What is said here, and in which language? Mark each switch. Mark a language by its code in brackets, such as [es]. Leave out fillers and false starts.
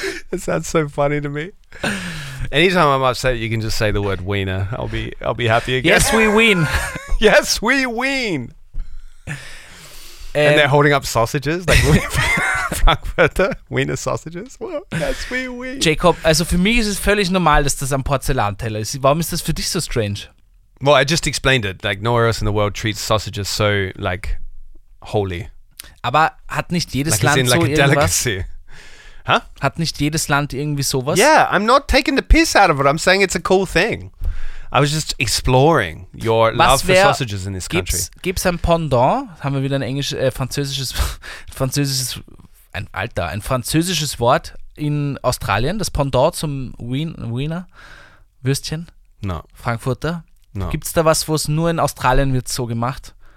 [en] It sounds so funny to me. Anytime I'm upset, you can just say the word wiener. I'll be happy again. Yes, we ween. Yes, we ween. And they're holding up sausages, like Frankfurter wiener sausages. Well, yes, we ween. [de] Jacob, also für mich ist es völlig normal, dass das am Porzellanteller ist. Warum ist das für dich so strange? [en] Well, I just explained it. Like, nowhere else in the world treats sausages so, like, holy. [de] Aber hat nicht jedes Land so irgendwas? [en] Like a delicacy. Huh? [de] Hat nicht jedes Land irgendwie sowas? [en] Yeah, I'm not taking the piss out of it. I'm saying it's a cool thing. I was just exploring your love for sausages in this country. [de] Gibt's ein Pendant? Haben wir wieder ein englisch, französisches Wort in Australien? Das Pendant zum Wiener Würstchen? [en] No. [de] Frankfurter? [en] No. [de] Gibt's da was, wo es nur in Australien wird so gemacht?